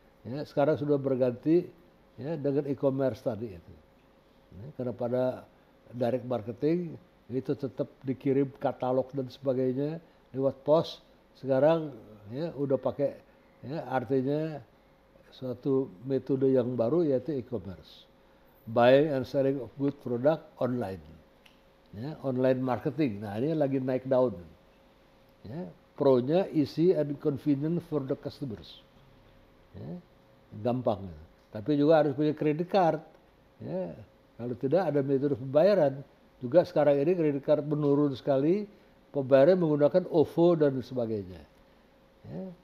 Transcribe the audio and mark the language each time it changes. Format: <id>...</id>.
<id>Ya, sekarang sudah berganti ya, dengan e-commerce tadi itu. Ya, karena pada direct marketing, itu tetap dikirim katalog dan sebagainya. Lewat pos, sekarang ya udah pakai ya, artinya suatu metode yang baru yaitu e-commerce. Buying and selling of good product online. Ya, online marketing, nah ini lagi naik daun.</id> <en>Ya, pro-nya easy and convenient for the customers.</en> <id>Ya, gampang. Tapi juga harus punya credit card. Ya, kalau tidak ada metode pembayaran. Juga sekarang ini credit card menurun sekali. Pembayaran menggunakan OVO dan sebagainya. Ya.</id>